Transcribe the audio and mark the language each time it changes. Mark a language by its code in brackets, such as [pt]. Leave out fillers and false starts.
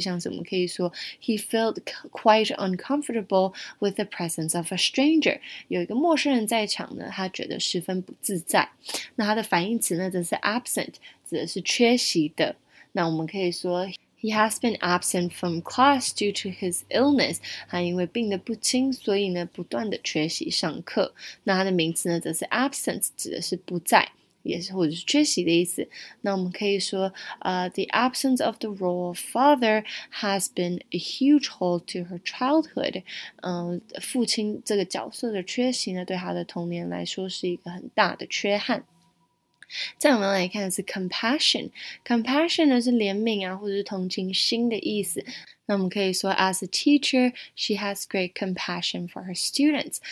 [zh] 像是我们可以说 [en] He felt quite uncomfortable with the presence of a stranger, [zh] 有一个陌生人在场呢他觉得十分不自在。那它的反义词呢则是 absent,指的是缺席的。那我们可以说 [en] He has been absent from class due to his illness. [zh] 他因为病得不轻，所以呢不断的缺席上课。那他的名词呢则是 absence, 指的是不在，也是或者是缺席的意思。那我们可以说 [en] The absence of the role of father has been a huge hole to her childhood. [zh] 父亲这个角色的缺席呢对他的童年来说是一个很大的缺憾。再我们来看的是 compassion, compassion 呢是怜悯啊或者是同情心的意思。那我们可以说 [en] as a teacher, she has great compassion for her students.